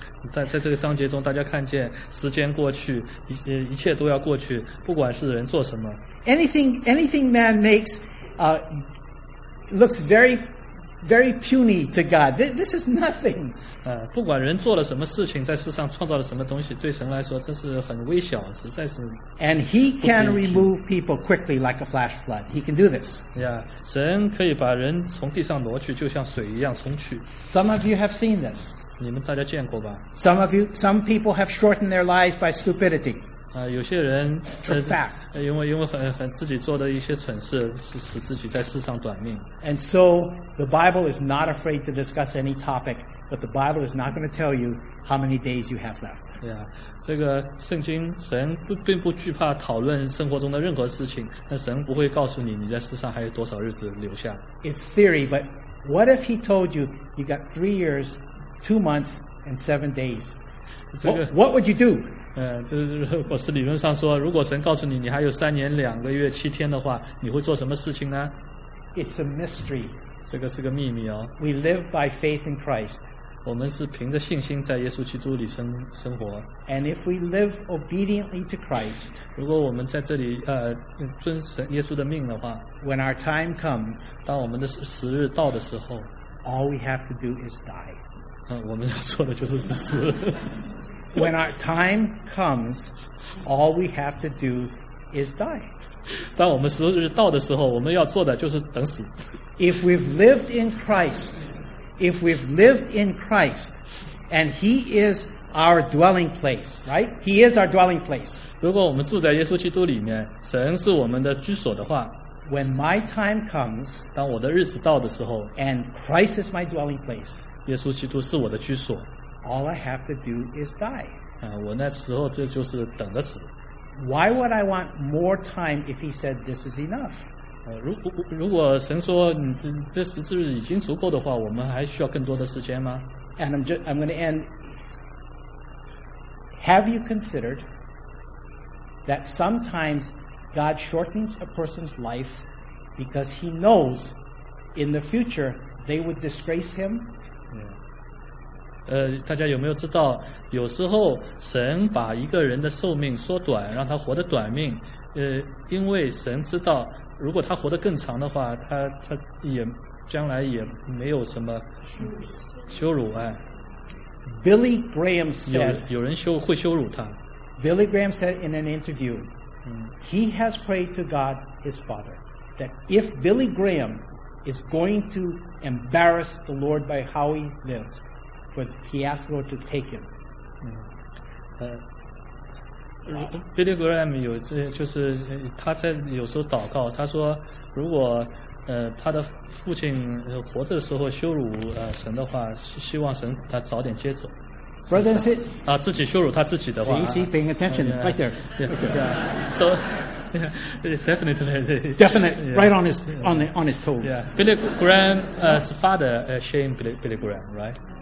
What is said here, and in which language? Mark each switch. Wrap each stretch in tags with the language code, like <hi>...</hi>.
<zh>在这个章节中，大家看见时间过去，一切都要过去，不管是人做什么。</zh> <en>Anything man makes, looks very. Very puny to God. This is nothing.</en> <zh>不管人做了什么事情，在世上创造了什么东西，对神来说，这是很微小，实在是。</zh> <en>And He can remove people quickly like a flash flood. He can do this.</en> <zh>Yeah, 神可以把人从地上挪去，就像水一样冲去。</zh> <en>Some of you have seen this.</en> <zh>你们大家见过吧？</zh> <en>Some people have shortened their lives by stupidity.</en> <zh>有些人</zh> <en>For fact.</en> <zh>因为很自己做的一些蠢事，使自己在世上短命。</zh> <en>And so. The Bible is not afraid to discuss any topic, but the Bible is not going to tell you how many days you have left.</en> <zh>Yeah, 这个圣经神并不惧怕讨论生活中的任何事情，那神不会告诉你你在世上还有多少日子留下。</zh> <en>It's theory, but what if he told you you got 3 years, 2 months, and 7 days? What would you do?</en> <zh>这如果是理论上说，如果神告诉你你还有三年两个月七天的话，你会做什么事情呢？</zh> <en>It's a mystery.</en> <zh>这个是个秘密哦。</zh> <en>We live by faith in Christ.</en> <zh>我们是凭着信心在耶稣基督里生活。</zh> <en>And if we live obediently to Christ,</en> <zh>如果我们在这里遵神耶稣的命的话，</zh> <en>when our time comes,</en> <zh>当我们的时日到的时候，</zh> <en>all we have to do is die.</en> <zh>我们要做的就是死。</zh> <en>When our time comes, all we have to do is die.</en> <zh>当我们时日到的时候，我们要做的就是等死。</zh> <en>If we've lived in Christ, if we've lived in Christ, and He is our dwelling place, right? He is our dwelling place.</en> <zh>如果我们住在耶稣基督里面，神是我们的居所的话，</zh> <en>when my time comes,</en> <zh>当我的日子到的时候，</zh> <en>and Christ is my dwelling place,</en> <zh>耶稣基督是我的居所，</zh> <en>all I have to do is die.</en> <zh>我那时候这就是等着死。</zh> <en>Why would I want more time if He said this is enough?</en> <zh>如果神说你这十四日已经足够的话，我们还需要更多的时间吗？</zh> <en>And I'm going to end. Have you considered that sometimes God shortens a person's life because He knows in the future they would disgrace Him?</en> <zh>大家有没有知道，有时候神把一个人的寿命缩短，让他活得短命，因为神知道。如果他活得更长的话，他也将来也没有什么羞辱啊。</zh> <en>Billy Graham said,</en> <zh>有人会羞辱他。</zh> <en>Billy Graham said in an interview, he has prayed to God, his father, that if Billy Graham is going to embarrass the Lord by how he lives, for he asked the Lord to take him.</en> <zh>Billy Graham 有这就是他在有时候祷告，他说如果他的父亲活着的时候羞辱神的话，希望神他早点接走。</zh> <en>Brother, is it?</en> <zh>啊，自己羞辱他自己的话。</zh> <en>So you see, paying attention, right there. Yeah. So. Yeah, definitely. Definitely, yeah, right on his, yeah, on, the, on his toes. Yeah. Billy Graham, his father, Shane Billy Graham, right?</en>